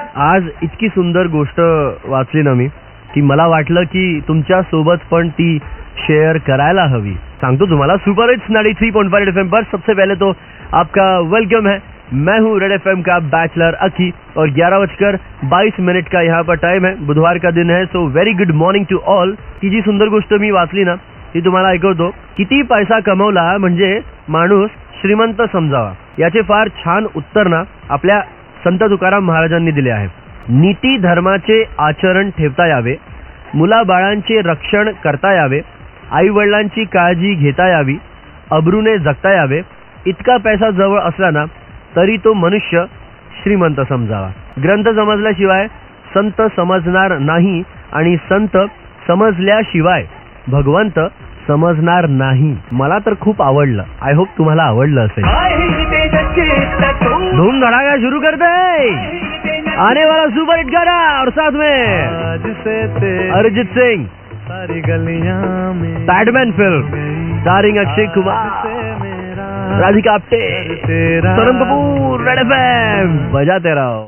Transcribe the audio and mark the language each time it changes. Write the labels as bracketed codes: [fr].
[mr] आज इतकी सुंदर गोष्ट वाचली ना मी की मला वाटलं की तुमच्या सोबत पण ती शेअर करायला हवी. सांगतो तुम्हाला, [hi] सुपर हिट्स 93.5 FM पर सबसे पहले तो आपका वेलकम है. मैं हूँ रेड एफ एम का बैचलर अकी और 11:22 का यहाँ पर टाइम है. बुधवार का दिन है, [en] So very good morning to all. [mr] की जी सुंदर गोष्ट मी वाचली ना ती तुम्हाला ऐकवतो. किती पैसा कमवला म्हणजे माणूस श्रीमंत समजावा, याचे फार छान उत्तर ना आपल्या संत तुकाराम महाराजांनी दिले आहे. नीती धर्माचे आचरण ठेवता यावे, मुलाबाळांचे रक्षण करता यावे, आई वडिलांची काळजी घेता यावी, अब्रूने जगता यावे, इतका पैसा जवळ असला ना तरी तो मनुष्य श्रीमंत समजावा. ग्रंथ समजल्याशिवाय संत समजणार नाही आणि संत समजल्याशिवाय भगवंत समजणार नाही. मला तर खूप आवडलं, [en] I hope [mr] तुम्हाला आवडलं असेल. [hi] धूम धडाका सुरू करते आने वाला सुपर हिट गाना और साथ में अरिजित सिंह, सारी गलियां में badman film starring Akshay Kumar, Radhika Apte, सरम कपूर, रेड एफएम बजाते रहो.